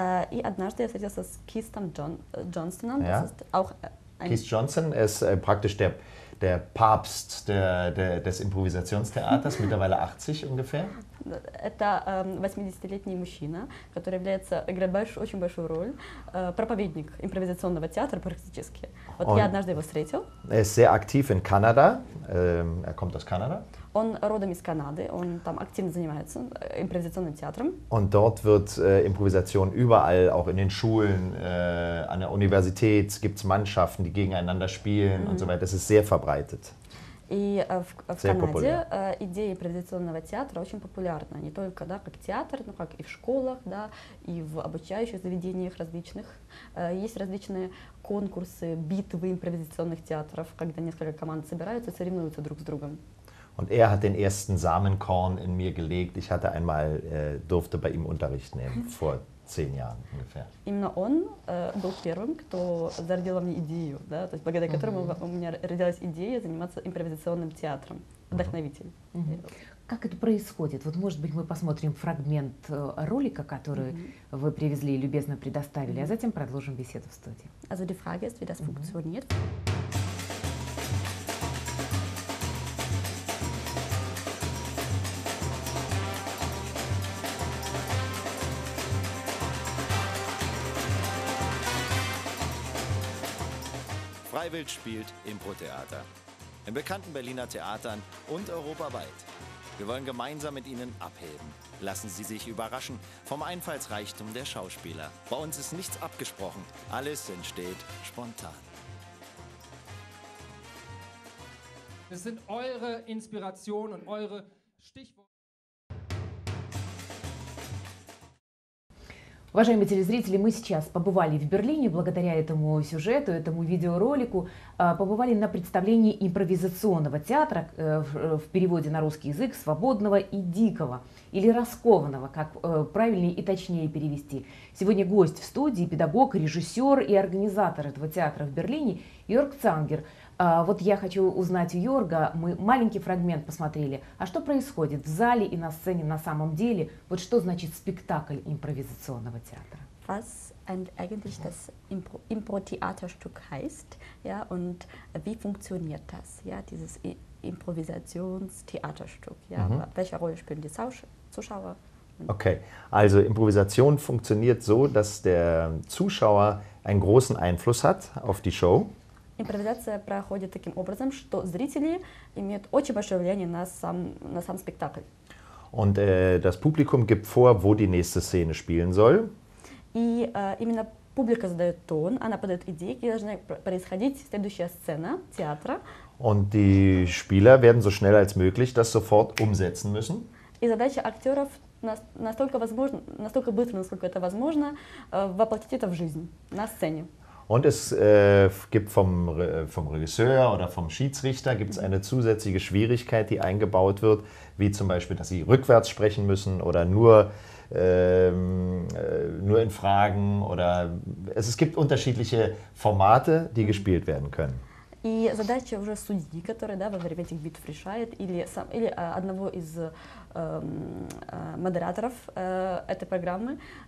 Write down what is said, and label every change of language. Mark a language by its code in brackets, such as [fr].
[ru] И однажды я встретился с Кистом Джонстоном, ja. [de] Das ist auch ein... Keith Johnston ist praktisch der Papst des Improvisationstheaters, mittlerweile 80 ungefähr. [ru] Это 80-летний мужчина, который является, играет очень большую роль, проповедник импровизационного театра практически. Вот я однажды его встретил. [de] Er ist sehr aktiv in Kanada, er kommt aus Kanada. [ru] Он родом из Канады, он там активно занимается импровизационным театром. [de] Und dort wird Improvisation überall, auch in den Schulen, an der Universität gibt's Mannschaften, die gegeneinander spielen und so weiter. Das ist sehr verbreitet. [ru] И в Канаде идея импровизационного театра очень популярна, не только да, как театр, но как и в школах, да, и в обучающих заведениях различных. Есть различные конкурсы, битвы импровизационных театров, когда несколько команд собираются, соревнуются друг с другом. [de] Und er hat den ersten Samenkorn in mir gelegt. Ich hatte einmal durfte bei ihm Unterricht nehmen vor 10 Jahren ungefähr. [ru] Именно он был первым, кто зародил мне идею, да, то есть благодаря которому у меня родилась идея заниматься импровизационным театром. Вдохновитель. Как это происходит? Вот, может быть, мы посмотрим фрагмент ролика, который вы привезли и любезно предоставили, а затем продолжим беседу в студии. [de] Also die Frage ist, wie das funktioniert. Freiwild spielt Impro-Theater. In bekannten Berliner Theatern und europaweit. Wir wollen gemeinsam mit Ihnen abheben. Lassen Sie sich überraschen vom Einfallsreichtum der Schauspieler. Bei uns ist nichts abgesprochen. Alles entsteht spontan. Das sind eure Inspirationen und eure Stichworte. [ru] Уважаемые телезрители, мы сейчас побывали в Берлине благодаря этому сюжету, этому видеоролику, побывали на представлении импровизационного театра в переводе на русский язык «Свободного и дикого» или «Раскованного», как правильнее и точнее перевести. Сегодня гость в студии, педагог, режиссер и организатор этого театра в Берлине Йорг Цангер. Вот я хочу узнать у Йорга, мы маленький фрагмент посмотрели, а что происходит в зале и на сцене на самом деле? Вот что значит спектакль импровизационного театра? [de] Was eigentlich das Impro-Theaterstück heißt, ja, und wie funktioniert das, ja, dieses Improvisationstheaterstück, ja, welche Rolle spielen die Zuschauer? Okay, also Improvisation funktioniert so, dass der Zuschauer einen großen Einfluss hat auf die Show. [ru] Импровизация проходит таким образом, что зрители имеют очень большое влияние на сам спектакль. [de] Und das Publikum gibt vor, wo die nächste Szene spielen soll. [ru] И именно публика задает тон, она подает идеи, где должна происходить следующая сцена театра. [de] Und die Spieler werden so schnell als möglich das sofort umsetzen müssen. [ru] И задача актеров настолько возможно, настолько быстро, насколько это возможно, воплотить это в жизнь на сцене. [de] Und es gibt vom Regisseur oder vom Schiedsrichter gibt's eine zusätzliche Schwierigkeit, die eingebaut wird, wie zum Beispiel, dass sie rückwärts sprechen müssen oder nur in Fragen oder es gibt unterschiedliche Formate, die gespielt werden können. [ru] И задача уже судьи, который, да, во время этих битв решает, или сам, или одного из модераторов этой программы.